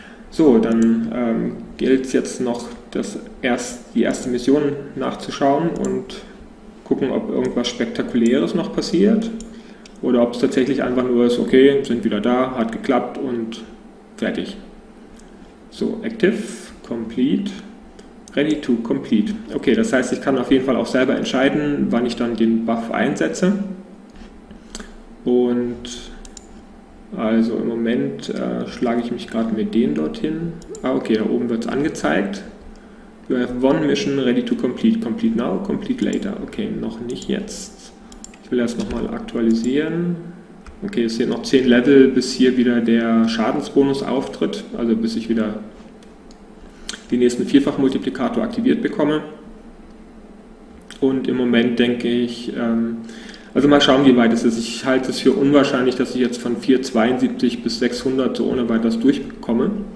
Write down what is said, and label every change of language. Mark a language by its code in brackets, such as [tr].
[de] So, dann gilt es jetzt noch, die erste Mission nachzuschauen und gucken, ob irgendwas Spektakuläres noch passiert oder ob es tatsächlich einfach nur ist, okay, sind wieder da, hat geklappt und fertig. [en] So, active, complete, ready to complete. [de] Okay, das heißt, ich kann auf jeden Fall auch selber entscheiden, wann ich dann den Buff einsetze. Und also im Moment schlage ich mich gerade mit denen dorthin. Ah, okay, da oben wird es angezeigt. [en] You have one mission ready to complete. Complete now, complete later. Okay, [de] noch nicht jetzt. Ich will erst nochmal aktualisieren. Okay, es sind noch 10 Level, bis hier wieder der Schadensbonus auftritt. Also bis ich wieder den nächsten Vierfachmultiplikator aktiviert bekomme. Und im Moment denke ich, also mal schauen, wie weit es ist. Ich halte es für unwahrscheinlich, dass ich jetzt von 472 bis 600 so ohne weiteres durchkomme.